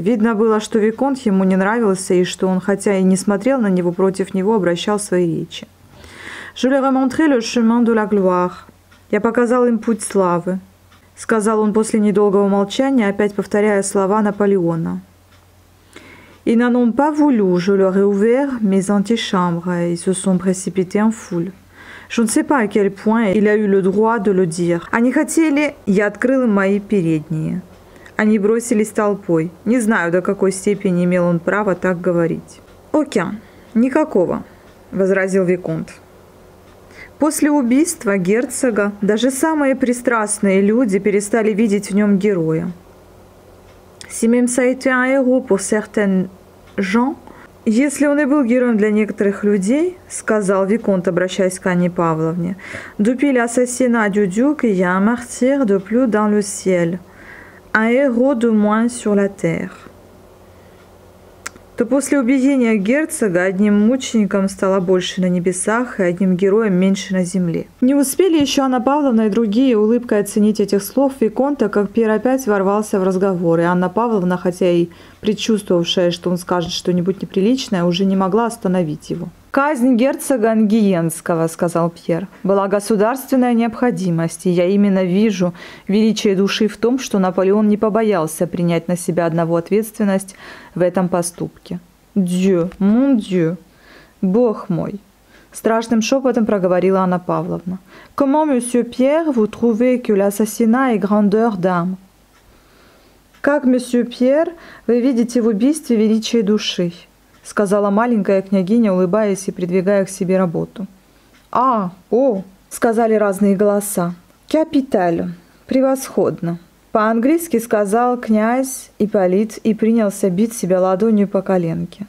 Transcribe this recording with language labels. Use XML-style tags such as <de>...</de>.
<ru>Видно было, что виконт ему не нравился, и что он, хотя и не смотрел на него, против него обращал свои речи.</ru> <fr>«Je leur ai montré le chemin de la gloire».</fr> <ru>«Я показал им путь славы», сказал он после недолгого молчания, опять повторяя слова Наполеона.</ru> <fr>«Ils n'en ont pas voulu, je leur ai ouvert mes antichambres, ils se sont précipités en foule». Je ne sais pas à quel point il a eu le droit de le dire.</fr> <ru>Они хотели, я открыл им мои передние. Они бросились толпой. Не знаю, до какой степени имел он право так говорить. Окей, никакого, возразил виконт. После убийства герцога даже самые пристрастные люди перестали видеть в нем героя.</ru> <fr>Si même ça a été un héros pour certains gens.</fr> <ru>«Если он и был героем для некоторых людей, — сказал виконт, обращаясь к Анне Павловне,</ru> <fr>— «depuis l'assassinat du duc, il y a un martyr de plus dans le ciel, un héros de moins sur la terre».</fr> <ru>То после убиения герцога одним мучеником стало больше на небесах и одним героем меньше на земле. Не успели еще Анна Павловна и другие улыбкой оценить этих слов виконта, как Пьер опять ворвался в разговор. И Анна Павловна, хотя и предчувствовавшая, что он скажет что-нибудь неприличное, уже не могла остановить его. «Казнь герцога Ангиенского, — сказал Пьер, — была государственная необходимость, и я именно вижу величие души в том, что Наполеон не побоялся принять на себя одного ответственность в этом поступке».</ru> <fr>«Дью, мон дью,</fr> <ru>бог мой!» — страшным шепотом проговорила Анна Павловна.</ru> <fr>«Comment, monsieur Pierre, vous trouvez que l'assassinat est grandeur d'âme?»</fr> <ru>«Как, monsieur Pierre, вы видите в убийстве величие души?» сказала маленькая княгиня, улыбаясь и придвигая к себе работу. «А, о!» — сказали разные голоса. «Капиталь! Превосходно!» По-английски сказал князь Ипполит и принялся бить себя ладонью по коленке.</ru>